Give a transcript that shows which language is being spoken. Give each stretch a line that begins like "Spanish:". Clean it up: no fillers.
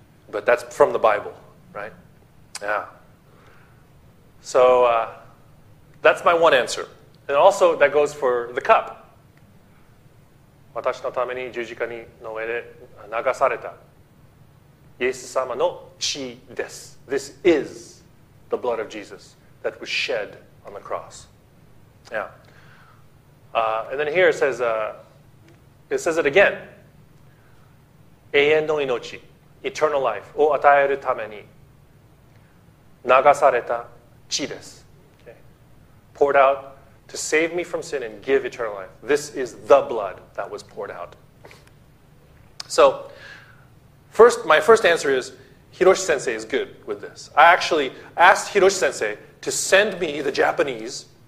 English: But that's from the Bible, right? Yeah. So, that's my one answer. And also, that goes for the cup.
Japanese: 私のために十字架にの上で流されたイエス様の血です。
English: This is the blood of Jesus that was shed on the cross. Yeah. And then here it says it again.
Japanese: 永遠の命、eternal life を与えるために流された血です。
English: Poured out to save me from sin and give eternal life. This is the blood that was poured out. So, first, my first answer is, Hiroshi-sensei is good with this. I actually asked Hiroshi-sensei to send me the Japanese.